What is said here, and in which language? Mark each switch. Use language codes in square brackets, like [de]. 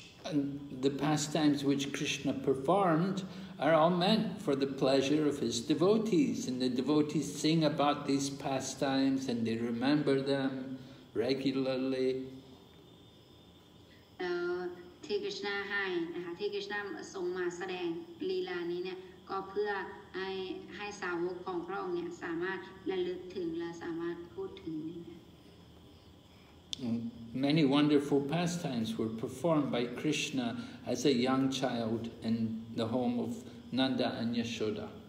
[en] And the pastimes which Krishna performed are all meant for the pleasure of his devotees. And the devotees sing about these pastimes and they remember them regularly. [th] ที่ Krishna ให้นะคะ ที่ Krishna ส่งมาแสดงลีลานี้เนี่ย ก็เพื่อให้สาวกของพระองค์เนี่ย สามารถระลึกถึงและสามารถพูดถึงได้ [en] Many wonderful pastimes were performed by Krishna as a young child in the home of Nanda and Yashoda.